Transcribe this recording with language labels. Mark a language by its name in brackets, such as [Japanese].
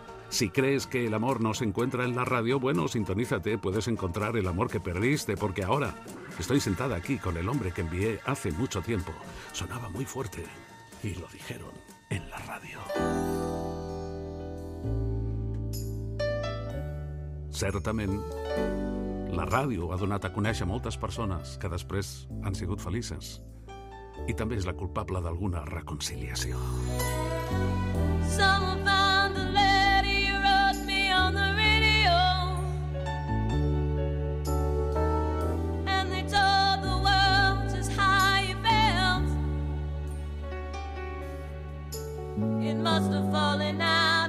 [Spanish] Si crees que el amor no se encuentra en la radio, bueno, sintonízate, puedes encontrar el amor que perdiste, porque ahora estoy sentada aquí con el hombre que envié hace mucho tiempo. Sonaba muy fuerte y lo dijeron en la radio. [Catalan] Certament. La ràdio ha donat a conèixer moltes persones que després han sigut felices. I també és la culpable d'alguna reconciliació. [English] Some found the letter you wrote me on the radio. And they told the world just how you felt. It must have fallen out.